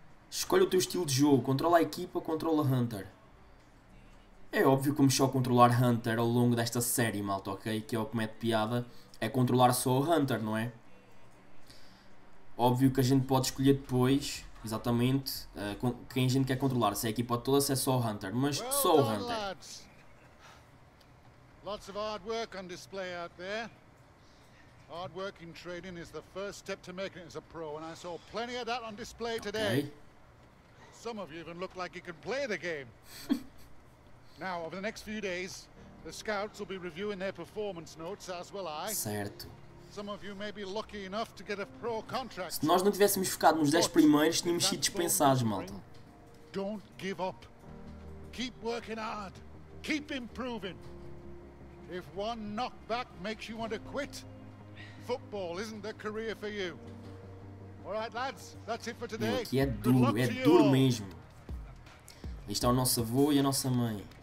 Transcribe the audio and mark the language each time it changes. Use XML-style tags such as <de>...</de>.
<pt>Escolhe o teu estilo de jogo. Controla a equipa, controla Hunter. É óbvio como só controlar Hunter ao longo desta série, malta, ok? Que é o que mete piada. É controlar só o Hunter, não é? Óbvio que a gente pode escolher depois, exatamente, quem a gente quer controlar. Se é a equipa toda, se é só o Hunter. Mas bem, só o Hunter.</pt> <en>Lads. Lots of hard work on display out there. Hard work in training is the first step to making it as a pro. And I saw plenty of that on display today. Okay. Some of you even look like you can play the game. Now, over the next few days, the scouts will be reviewing their performance notes, as will I.</en> <pt>Certo.</pt> <en>Some of you may be lucky enough to get a pro contract.</en> <pt>Se nós não tivéssemos focado nos 10 primeiros, tínhamos sido dispensados, malta.</pt> <en>Don't give up. Keep working hard. Keep improving. If one knockback makes you want to quit, football isn't the career for you. All right, lads, that's it for today.</en> <pt>Aqui é duro, é duro mesmo. Aí está o nosso avô e a nossa mãe.</pt>